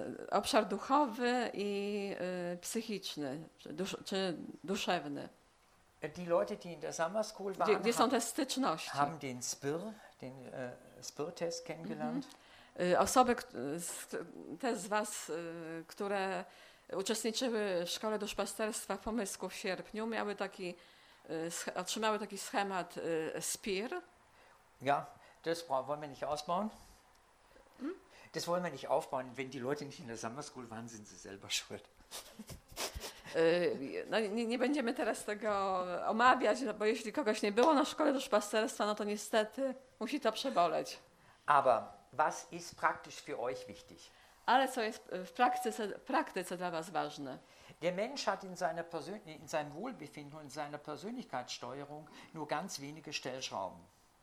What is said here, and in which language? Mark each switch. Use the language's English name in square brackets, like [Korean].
[Polish] Obszar duchowy i psychiczny, czy duszewny. [German] Die Leute, die in der Summer School waren, [Polish] gdzie są te styczności? [German] Haben den Spir, den Spir-Test kennengelernt. [Polish] Osoby, te z was, które uczestniczyły w Szkole Duszpasterstwa w Pomysku w sierpniu, miały taki otrzymały taki schemat Spir. [German] Ja, das wollen wir nicht ausbauen. Hm? Das wollen wir nicht aufbauen. Wenn die Leute nicht in der Summer School waren, sind sie selber schuld. [Polish] No, nie będziemy teraz tego omawiać, bo jeśli kogoś nie było na szkole duszpasterstwa, no to niestety musi to przeboleć. [German] Aber was ist praktisch für euch wichtig? [Polish] Ale co jest w praktyce dla was ważne? [German] Der Mensch hat in seinem Wohlbefinden und seiner Persönlichkeitssteuerung nur ganz wenige Stellschrauben.